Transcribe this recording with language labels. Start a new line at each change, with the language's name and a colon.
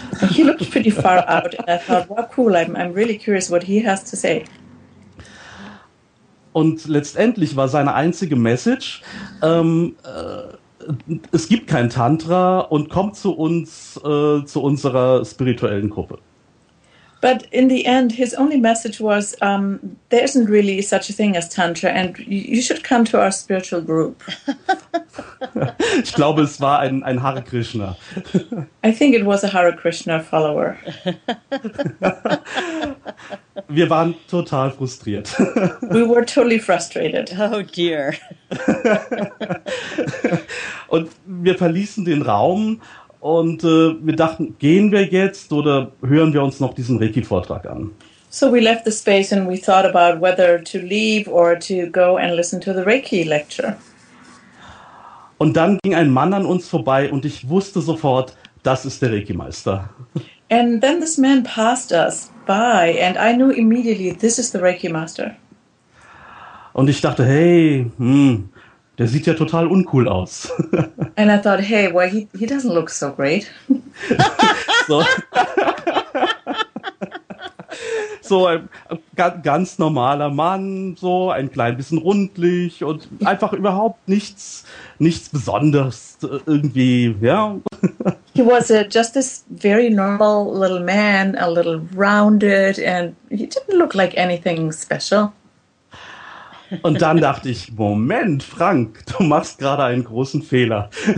English: He looked pretty far out and I thought, wow, cool, I'm really curious what he has to say.
German: Und letztendlich war seine einzige Message, es gibt kein Tantra und kommt zu uns, zu unserer spirituellen Gruppe.
English: But in the end, his only message was, there isn't really such a thing as Tantra, and you should come to our spiritual group.
German: Ich glaube, es war ein Hare Krishna.
English: I think it was a Hare Krishna follower.
German: Wir waren total frustriert.
English: We were totally frustrated. Oh dear.
German: Und wir verließen den Raum. Und wir dachten, gehen wir jetzt oder hören wir uns noch diesen Reiki-Vortrag an?
English: So we left the space and we thought about whether to leave or to go and listen to the Reiki lecture.
German: Und dann ging ein Mann an uns vorbei und ich wusste sofort, das ist der Reiki-Meister.
English: And then this man passed us by and I knew immediately, this is the Reiki-Master.
German: Und ich dachte, hey, der sieht ja total uncool aus.
English: And I thought, hey, well, he doesn't look so great.
German: So ein ganz normaler Mann, so ein klein bisschen rundlich und einfach überhaupt nichts Besonderes irgendwie, ja.
English: He was just this very normal little man, a little rounded, and he didn't look like anything special.
German: Und dann dachte ich, Moment, Frank, du machst gerade einen großen Fehler.